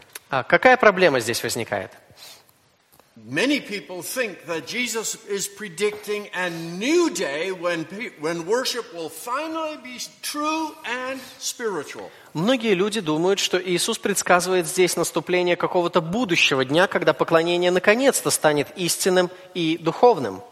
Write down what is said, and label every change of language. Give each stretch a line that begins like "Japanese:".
Russian: А какая проблема здесь возникает?
English: Many people think that Jesus is predicting a new day when worship will finally be true and spiritual.
Russian: Многие люди думают, что Иисус предсказывает здесь наступление какого-то будущего дня, когда поклонение наконец-то станет истинным и духовным.